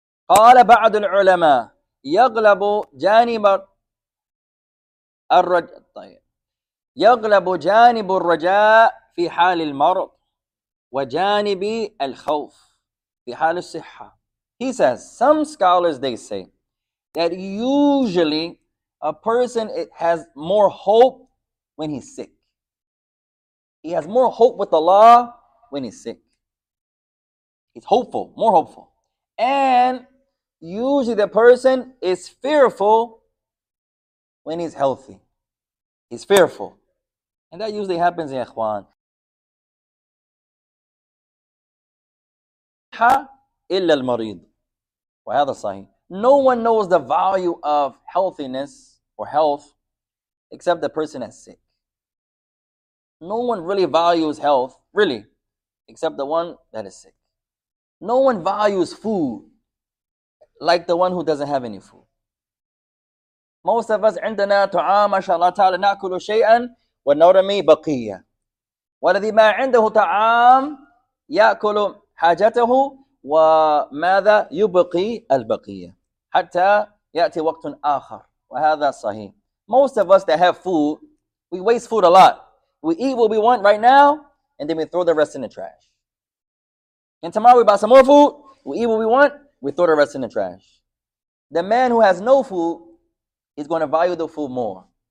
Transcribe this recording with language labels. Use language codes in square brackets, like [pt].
[ar] قال بعض العلماء يغلب جانب الرجاء. طيب. يغلب جانب الرجاء في حال المرض وجانب الخوف في حال الصحة. [en] He says, some scholars, they say, that usually a person has more hope when he's sick. He has more hope with Allah when he's sick. He's hopeful, more hopeful. And usually the person is fearful when he's healthy. He's fearful. And that usually happens in Ikhwan. [ar] Ha illa al-marid. Wa hadha sahih. [en] No one knows the value of healthiness or health except the person that's sick. No one really values health, really, except the one that is sick. No one values food like the one who doesn't have any food. Most of us, [ar] عندنا طعام ما شاء الله تعالى نأكل شيئا ونرمي بقية. والذي ما عنده طعام يأكل حاجته وماذا يبقي البقية حتى يأتي وقت آخر. وهذا صحيح. [en] Most of us that have food, we waste food a lot. We eat what we want right now, and then we throw the rest in the trash. And tomorrow we buy some more food, we eat what we want, we throw the rest in the trash. The man who has no food is going to value the food more.